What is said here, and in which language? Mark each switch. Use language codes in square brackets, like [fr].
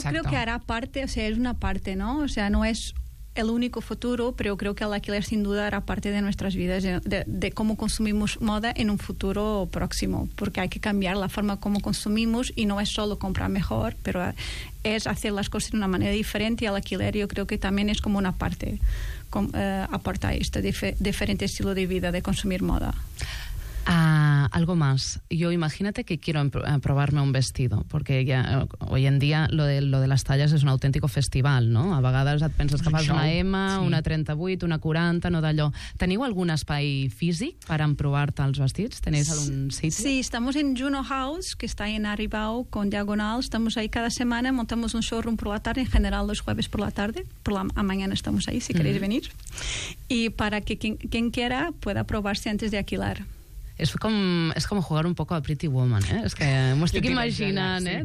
[es] Yo creo que hará parte, o sea, es una parte, ¿no? O sea, no es el único futuro, pero yo creo que el alquiler sin duda hará parte de nuestras vidas, de cómo consumimos moda en un futuro próximo, porque hay que cambiar la forma como consumimos y no es solo comprar mejor, pero es hacer las cosas de una manera diferente y el alquiler yo creo que también es como una parte, aporta este diferente estilo de vida de consumir moda. Algo más. Yo imagínate que quiero probarme un vestido, porque ya hoy en día lo de las tallas es un auténtico festival, ¿no? [ca] A vegades et penses que fas una M, sí, una 38, una 40, no d'allò. ¿Teniu algun espai físic per emprovar-te els vestits? [es] ¿Tenéis algun sitio? Sí, estamos en Juno House, que está en Aribau, con Diagonal. Estamos ahí cada semana, montamos un showroom por la tarde, en general los jueves por la tarde, por la mañana estamos ahí, si queréis venir. Y para que quien quiera pueda probarse antes de alquilar. Es com jugar un poco a Pretty Woman, ¿eh? Es que me estoy imaginando, ¿eh?